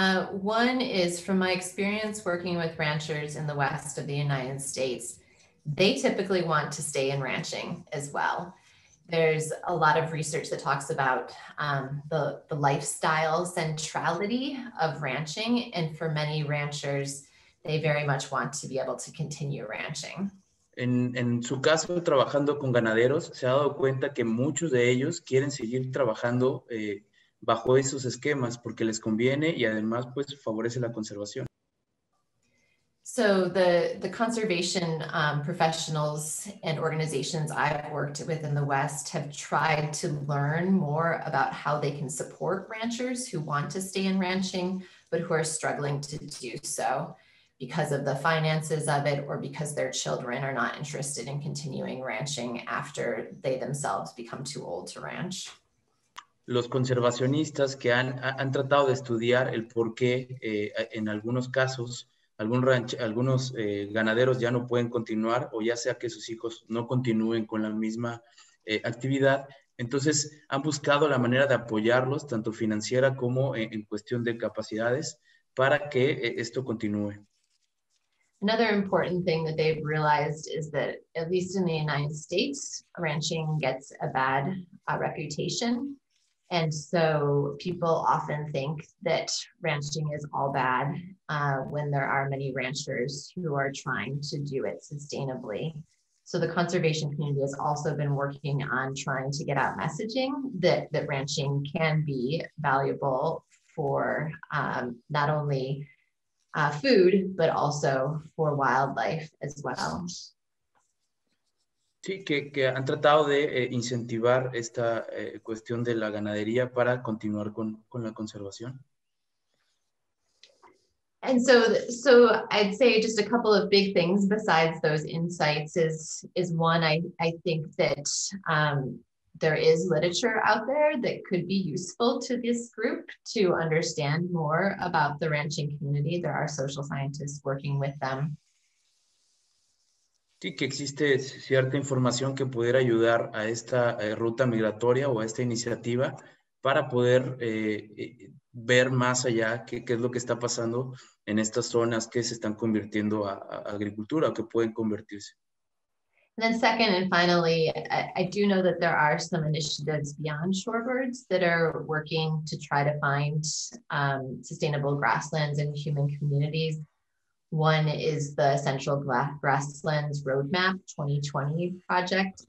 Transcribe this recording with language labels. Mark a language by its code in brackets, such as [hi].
[en] One is from my experience working with ranchers in the west of the United States, they typically want to stay in ranching as well. There's a lot of research that talks about the lifestyle centrality of ranching, and for many ranchers, they very much want to be able to continue ranching. [es] En su caso, trabajando con ganaderos, se ha dado cuenta que muchos de ellos quieren seguir trabajando bajo esos esquemas porque les conviene y además pues favorece la conservación. [en] So the conservation professionals and organizations I've worked with in the West have tried to learn more about how they can support ranchers who want to stay in ranching but who are struggling to do so, because of the finances of it or because their children are not interested in continuing ranching after they themselves become too old to ranch. [es] Los conservacionistas que han tratado de estudiar el por qué en algunos casos algunos ganaderos ya no pueden continuar o ya sea que sus hijos no continúen con la misma actividad, entonces han buscado la manera de apoyarlos tanto financiera como en cuestión de capacidades para que esto continúe. [en] Another important thing that they've realized is that, at least in the United States, ranching gets a bad reputation. And so people often think that ranching is all bad when there are many ranchers who are trying to do it sustainably. So the conservation community has also been working on trying to get out messaging that ranching can be valuable for not only food, but also for wildlife as well. [es] Sí, que han tratado de incentivar esta cuestión de la ganadería para continuar con la conservación. [en] And so I'd say just a couple of big things besides those insights is one, I think that there is literature out there that could be useful to this group to understand more about the ranching community. There are social scientists working with them. [es] Sí, que existe cierta información que pudiera ayudar a esta ruta migratoria o a esta iniciativa para poder ver más allá qué es lo que está pasando en estas zonas que se están convirtiendo a agricultura o que pueden convertirse. [en] And then second and finally, I do know that there are some initiatives beyond shorebirds that are working to try to find sustainable grasslands and human communities. One is the Central Grasslands Roadmap 2020 project.